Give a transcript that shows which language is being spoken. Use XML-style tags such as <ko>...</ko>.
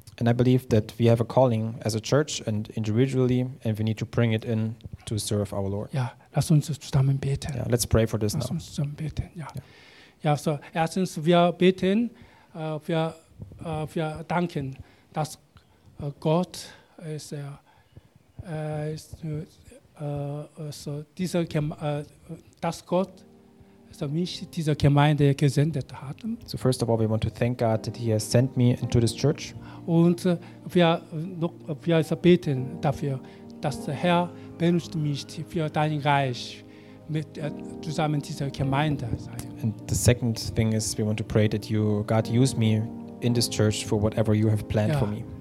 <en>And I believe that we have a calling as a church and individually, and we need to bring it in to serve our Lord.</en> <de>Ja, lass uns zusammen beten.</de> <en>Yeah, let's pray for this</en> <de>lass</de> <en>now.</en> <de>Lass uns zusammen beten, ja. Ja, ja, so erstens, wir beten, wir danken, dass Gott mich dieser Gemeinde gesendet hat.</de> <en>So first of all, we want to thank God that he has sent me into this church.</en> <de>Und wir beten dafür, dass der Herr benutzt mich für dein Reich mit zusammen dieser Gemeinde.</de> <en>And the second thing is we want to pray that you, God, use me in this church for whatever you have planned for me.</en>